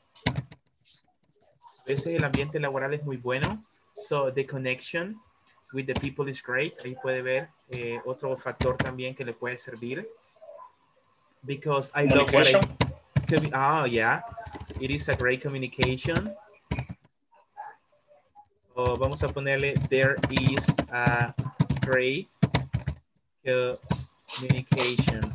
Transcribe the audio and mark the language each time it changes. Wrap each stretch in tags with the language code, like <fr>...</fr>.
<es>A veces el ambiente laboral es muy bueno.</es> <en>So the connection with the people is great.</en> <es>Ahí puede ver otro factor también que le puede servir.</es> <en>Because I love what I could be, oh yeah, it is a great communication.</en> <es>Oh, vamos a ponerle</es> <en>there is a great communication.</en>